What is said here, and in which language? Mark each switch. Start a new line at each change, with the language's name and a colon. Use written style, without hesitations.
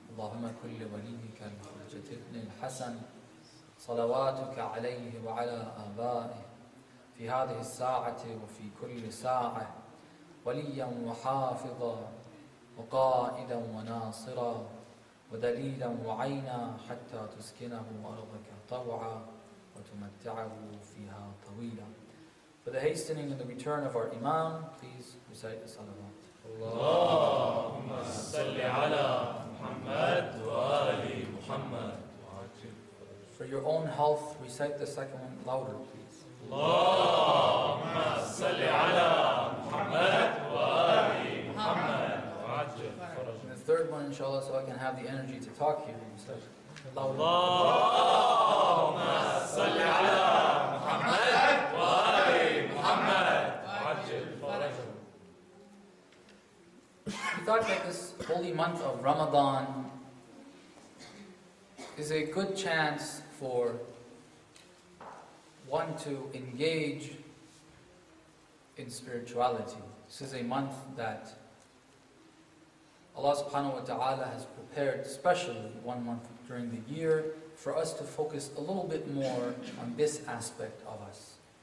Arabic: اللهم كل وليك الحجة ابن الحسن صلواتك عليه وعلى آبائه في هذه الساعة وفي كل ساعة، وليا وحافظا وقائدا وناصرا ودليلا وعينا، حتى تسكنه أرضك طوعا وتمتعه فيها طويلا.
English: For the hastening and the return of our Imam, please recite the salawat.
Arabic: اللهم صل على محمد وآل محمد.
English: For your own health, recite the second one louder, please.
Arabic: اللهم صل على محمد وآل محمد وعجل فرجه.
English: The third one, inshallah, so I can have the energy to talk here.
Arabic: اللهم صل على محمد وآل محمد وعجل فرجه.
English: We thought that this holy month of Ramadan is a good chance for one to engage in spirituality. This is a month that Allah subhanahu wa ta'ala has prepared, especially one month during the year, for us to focus a little bit more on this aspect of us.